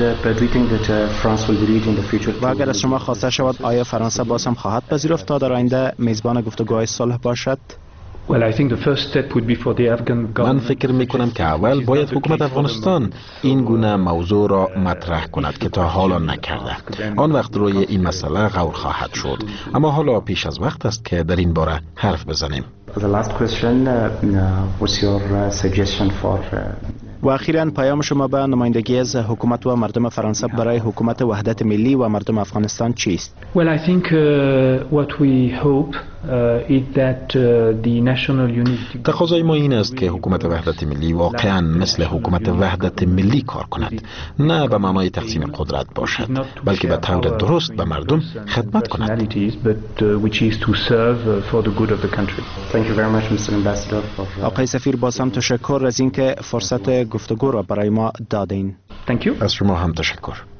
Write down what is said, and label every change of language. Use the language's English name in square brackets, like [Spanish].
[English] And reading that France will be leading the future. [Persian] و اگر از شما خواسته شود آیا فرانسه باز هم خواهد پذیرفت تا در آینده میزبان گفتگوهای صلح باشد؟ [English] Well, I think the first step would be for the Afghan government. [Persian] من فکر می کنم که اول باید حکومت افغانستان این گونه موضوع را مطرح کند که تا حالا نکرده. آن وقت روی این مسئله غور خواهد شد. اما حالا پیش از وقت است که در این باره حرف بزنیم. [English] The last question, what's your suggestion for [Persian] و اخیراً پیام شما به نمایندگی از حکومت و مردم فرانسه برای حکومت وحدت ملی و مردم افغانستان چیست؟ [English] Well, I think what we hope is that the national unity. [Persian] تقاضای ما این است که حکومت وحدت ملی واقعاً مثل حکومت وحدت ملی کار کند، نه به معنای تقسیم قدرت باشد، بلکه به طور درست به مردم خدمت کند. [English] Which is to serve for the good of the country. Thank you very much, Mr. Ambassador. [Persian] آقای سفیر، باز هم تشکر از اینکه فرصت گفتگو را برای ما دادین. [English] Thank you. [Persian] از شما هم تشکر.